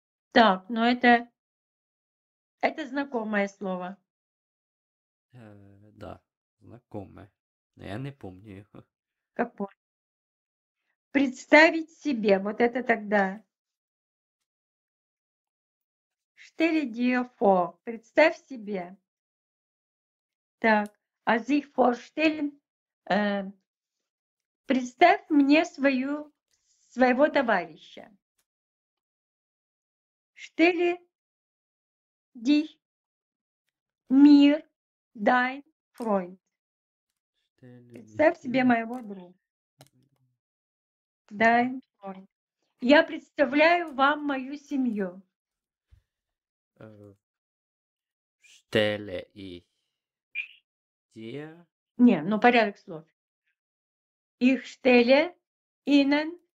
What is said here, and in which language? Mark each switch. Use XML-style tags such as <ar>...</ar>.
<ru>Так, ну это знакомое слово. Да, знакомое. Но я не помню его. Как помню? Представить себе, вот это тогда.</ru> <de>Stell dir vor,</de> <ru>представь себе. Так, а</ru> <de>sich vorstellen...</de> <ru>Представь мне своего товарища.</ru> <de>Stelle dich mir dein Freund.</de> <ru>Представь себе моего друга.</ru> <de>Dein Freund.</de> <ru>Я представляю вам мою семью.</ru> <de>Stelle ich dir.</de> <ru>Не, ну порядок слов.</ru> <de>Ich stelle Ihnen.</de>